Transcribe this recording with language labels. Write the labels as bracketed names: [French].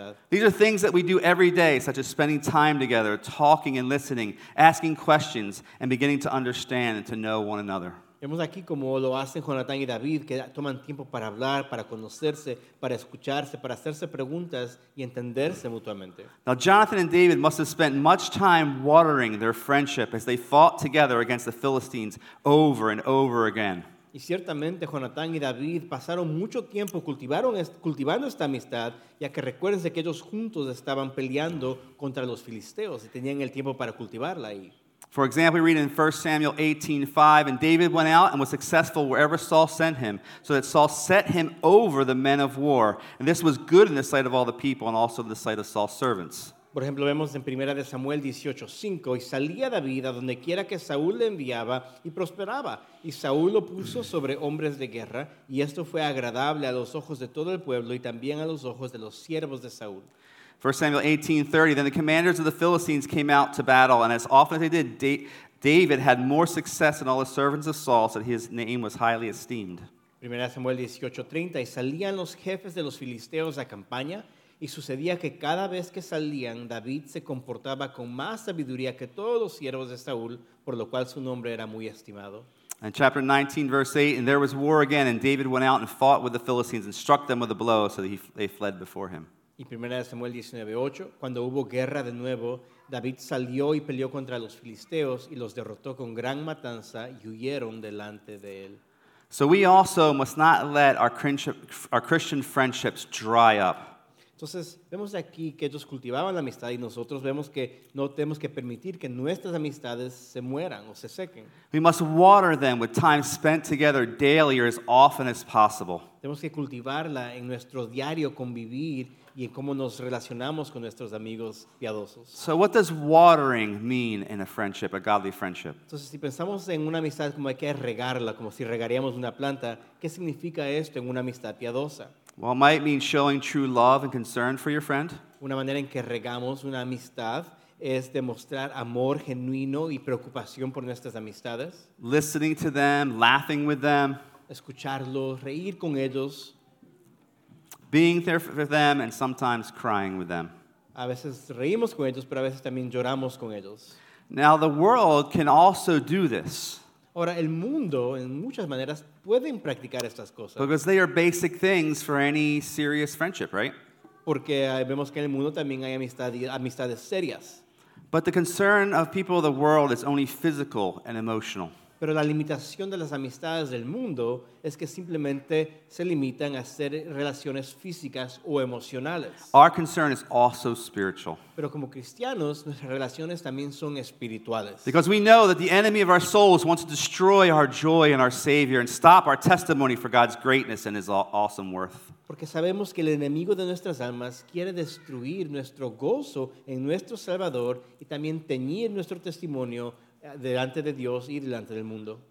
[English] These are things that we do every day, such as spending time together, talking and listening, asking questions, and beginning to understand and to know one another. [Spanish] Vemos aquí como lo hacen Jonatán y David, que toman tiempo para hablar, para conocerse, para escucharse, para hacerse preguntas y entenderse mutuamente. [English] Now Jonathan and David must have spent much time watering their friendship as they fought together against the Philistines over and over again. [Spanish] Y ciertamente Jonatán y David pasaron mucho tiempo cultivando esta amistad, ya que recuérdense que ellos juntos estaban peleando contra los filisteos y tenían el tiempo para cultivarla ahí. [English] For example, we read in 1 Samuel 18:5, "And David went out and was successful wherever Saul sent him, so that Saul set him over the men of war. And this was good in the sight of all the people and also in the sight of Saul's servants." [Spanish] Por ejemplo, vemos en 1 Samuel 18:5, "Y salía David a donde quiera que Saúl le enviaba y prosperaba. Y Saúl lo puso sobre hombres de guerra, y esto fue agradable a los ojos de todo el pueblo y también a los ojos de los siervos de Saúl." [English] 1 Samuel 18:30, "Then the commanders of the Philistines came out to battle, and as often as they did, David had more success than all the servants of Saul, so that his name was highly esteemed." [Spanish] 1 Samuel 18:30, "Y salían los jefes de los filisteos a campaña, y sucedía que cada vez que salían, David se comportaba con más sabiduría que todos los siervos de Saúl, por lo cual su nombre era muy estimado." [English] And chapter 19, verse 8, "And there was war again, and David went out and fought with the Philistines and struck them with a blow, so that they fled before him." [Spanish] Y 1 Samuel 19:8, "Cuando hubo guerra de nuevo, David salió y peleó contra los filisteos y los derrotó con gran matanza y huyeron delante de él." [English] So we also must not let our Christian friendships dry up. [Spanish] Entonces, vemos aquí que ellos cultivaban la amistad y nosotros vemos que no tenemos que permitir que nuestras amistades se mueran o se sequen. [English] We must water them with time spent together daily or as often as possible. [Spanish] Tenemos que cultivarla en nuestro diario convivir y en cómo nos relacionamos con nuestros amigos piadosos. [English] So what does watering mean in a friendship, a godly friendship? [Spanish] Entonces, si pensamos en una amistad como hay que regarla, como si regaríamos una planta, ¿qué significa esto en una amistad piadosa? [English] Well, it might mean showing true love and concern for your friend. [Spanish] Una manera en que regamos una amistad es demostrar amor genuino y preocupación por nuestras amistades. [English] Listening to them, laughing with them. [Spanish] Escucharlos, reír con ellos. [English] Being there for them and sometimes crying with them. [Spanish] A veces reímos con ellos, pero a veces también lloramos con ellos. [English] Now, the world can also do this. [Spanish] Ahora, el mundo, en muchas maneras, pueden practicar estas cosas. [English] Because they are basic things for any serious friendship, right? [Spanish] Porque vemos que en el mundo también hay amistades serias. [English] But the concern of people of the world is only physical and emotional. [Spanish] Pero la limitación de las amistades del mundo es que simplemente se limitan a ser relaciones físicas o emocionales. [English] Our concern is also spiritual. [Spanish] Pero como cristianos, nuestras relaciones también son espirituales. [English] Because we know that the enemy of our souls wants to destroy our joy in our Savior and stop our testimony for God's greatness and His awesome worth. [Spanish] Porque sabemos que el enemigo de nuestras almas quiere destruir nuestro gozo en nuestro Salvador y también teñir nuestro testimonio delante de Dios y delante del mundo.